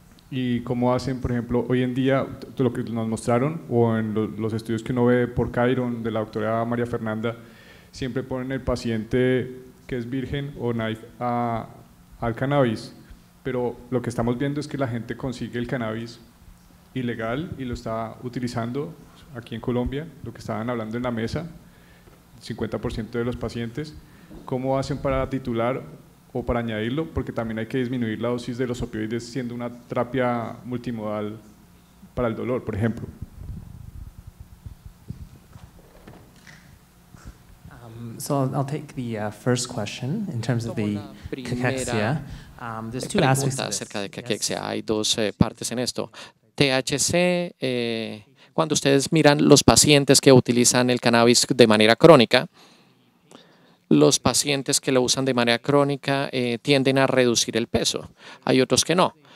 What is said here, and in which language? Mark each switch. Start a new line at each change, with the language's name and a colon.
Spanish: y cómo hacen, por ejemplo, hoy en día, todo lo que nos mostraron, o en los estudios que uno ve por Chiron de la doctora María Fernanda, siempre ponen el paciente que es virgen o naive al cannabis, pero lo que estamos viendo es que la gente consigue el cannabis ilegal y lo está utilizando aquí en Colombia, lo que estaban hablando en la mesa, 50% de los pacientes. ¿Cómo hacen para titular o para añadirlo? Porque también hay que disminuir la dosis de los opioides siendo una terapia multimodal para el dolor, por ejemplo.
English: So I'll take the first question in terms of the cachexia. There's two aspects
Spanish: acerca de cachexia. Hay dos partes en esto. THC, cuando ustedes miran los pacientes que utilizan el cannabis de manera crónica, los pacientes que lo usan de manera crónica tienden a reducir el peso. Hay otros que no.